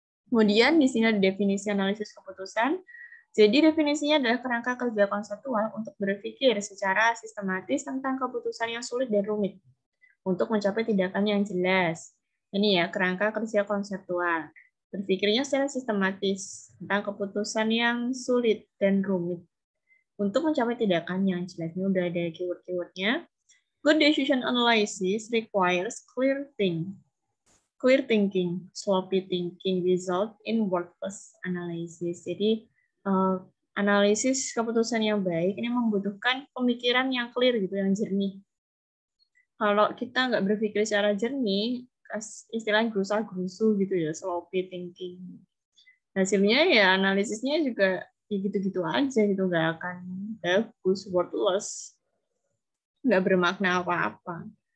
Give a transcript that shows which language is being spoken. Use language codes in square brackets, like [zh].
[id] Kemudian di sini ada definisi analisis keputusan. Jadi definisinya adalah kerangka kerja konseptual untuk berpikir secara sistematis tentang keputusan yang sulit dan rumit untuk mencapai tindakan yang jelas. Ini ya, kerangka kerja konseptual. Berpikirnya secara sistematis tentang keputusan yang sulit dan rumit untuk mencapai tindakan yang jelas. Ini udah ada keyword-keywordnya. [en] Good decision analysis requires clear thinking. Clear thinking, sloppy thinking result in worthless analysis. [id] Jadi, analisis keputusan yang baik ini membutuhkan pemikiran yang clear, gitu, yang jernih. Kalau kita nggak berpikir secara jernih, istilah grusa-grusu gitu ya, sloppy thinking. Hasilnya ya analisisnya juga ya gitu-gitu aja gitu, nggak akan bagus, worthless, nggak bermakna apa-apa.